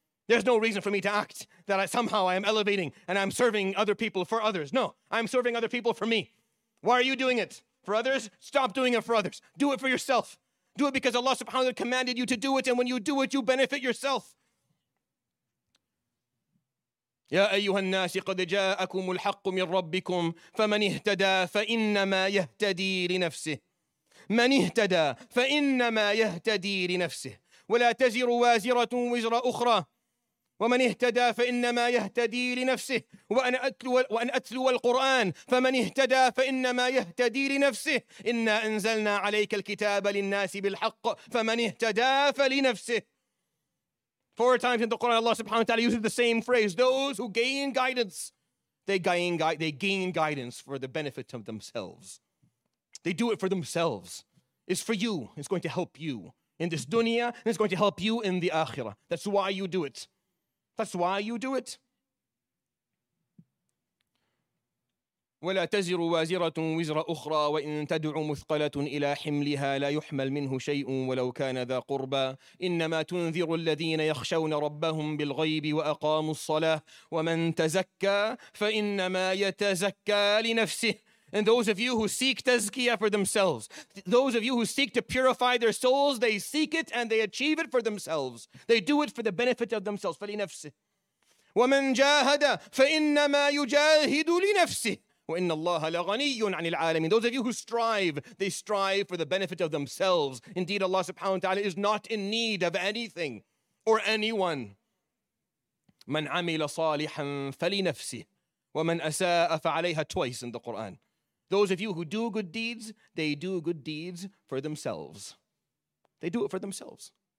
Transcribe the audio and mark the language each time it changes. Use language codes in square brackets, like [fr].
[en] There's no reason for me to act that I am elevating and I'm serving other people for others. No, I'm serving other people for me. Why are you doing it? For others? Stop doing it for others. Do it for yourself. Do it because Allah subhanahu wa ta'ala commanded you to do it. And when you do it, you benefit yourself. [ar] يا أيها الناس قد جاءكم الحق من ربكم فمن اهتدى فإنما يهتدي لنفسه من اهتدى فإنما يهتدي لنفسه ولا تزر وازرة وزر أخرى ومن اهتدى فإنما يهتدي لنفسه وأن أتلو القرآن فمن اهتدى فإنما يهتدي لنفسه إنا أنزلنا عليك الكتاب للناس بالحق فمن اهتدى فلنفسه. [en] Four times in the Quran, Allah subhanahu wa ta'ala uses the same phrase. Those who gain guidance, they gain guidance for the benefit of themselves. They do it for themselves. It's for you. It's going to help you in this dunya, and it's going to help you in the akhirah. That's why you do it. That's why you do it. [ar] ولا تزر وازرة وزر أخرى وإن تدع مثقلة إلى حملها لا يحمل منه شيء ولو كان ذا قربى إنما تنذر الذين يخشون ربهم بالغيب وأقاموا الصلاة ومن تزكى فإنما يتزكى لنفسه. [en] And those of you who seek tazkiyah for themselves, those of you who seek to purify their souls, they seek it and they achieve it for themselves. They do it for the benefit of themselves. [ar] فلنفسه. ومن جاهد فإنما يجاهد لنفسه. وإن الله لغني عن العالمين. [en] Those of you who strive, they strive for the benefit of themselves. Indeed, Allah subhanahu wa ta'ala is not in need of anything or anyone. [ar] من عمل صالحا فلنفسه. ومن أساء فعليها. [en] Twice in the Quran. Those of you who do good deeds, they do good deeds for themselves. They do it for themselves.